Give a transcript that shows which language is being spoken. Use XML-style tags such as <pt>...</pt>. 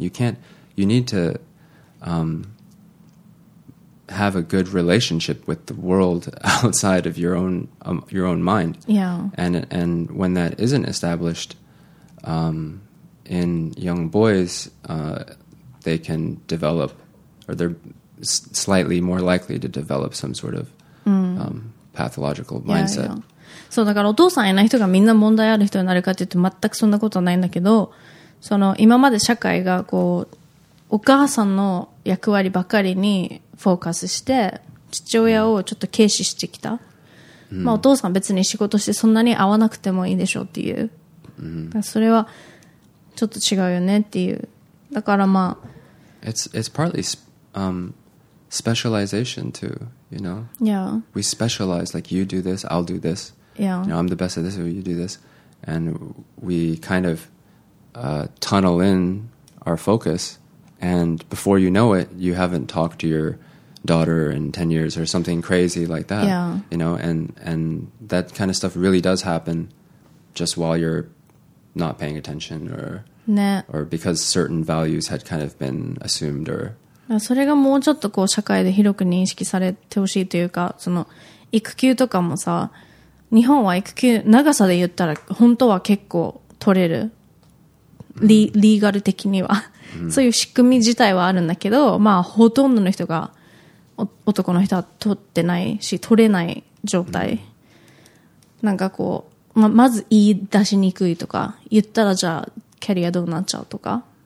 <en>You need to have a good relationship with the world outside of your own mind. Yeah. And when that isn't established in young boys, they can develop, or they're slightly more likely to develop some sort of pathological mindset. Yeah, yeah.</en> <ja>そうだからお父さんいない人がみんな問題ある人になるかというと全くそんなことはないんだけど、その今まで社会がこうお母さんの役割ばっかりにフォーカスして父親をちょっと軽視してきた。まあお父さん別に仕事してそんなに会わなくてもいいでしょうっていう。それはちょっと違うよねっていう。だからまあ</ja> <en>It's partly specialization too, you know? Yeah. We specialize, like you do this, I'll do this. Yeah. You know, I'm the best at this, you do this. And we kind of tunnel in our focus, and before you know it, you haven't talked to your daughter in 10 years or something crazy like that. Yeah. You know, and that kind of stuff really does happen just while you're not paying attention or, nah. or because certain values had kind of been assumed or...</en> <ja>それがもうちょっとこう社会で広く認識されてほしいというか、その育休とかもさ、日本は育休長さで言ったら本当は結構取れる、リーガル的には、そういう仕組み自体はあるんだけど、まあほとんどの人が男の人は取ってないし取れない状態、なんかこう まず言い出しにくいとか、言ったらじゃあキャリアどうなっちゃうとか、</ja>